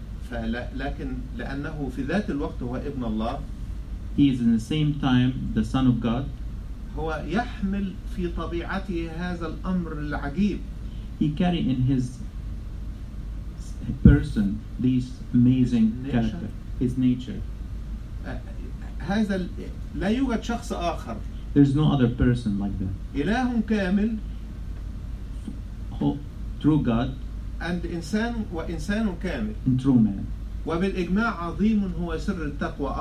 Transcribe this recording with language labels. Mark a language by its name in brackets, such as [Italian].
[Arabic] لكن لأنه في ذات الوقت هو ابن الله. [English] He is in the same time the son of God. [Arabic] هو يحمل في طبيعته هذا الأمر العجيب. [English] He carry in his person this amazing character, his nature. [Arabic] هذا لا يوجد شخص آخر. [English] There's no other person like that. [Arabic] إله كامل. [English] True God. And [Arabic] إنسان وإنسان كامل. [English] And true man. [Arabic] وبالإجماع عظيم هو سر التقوى.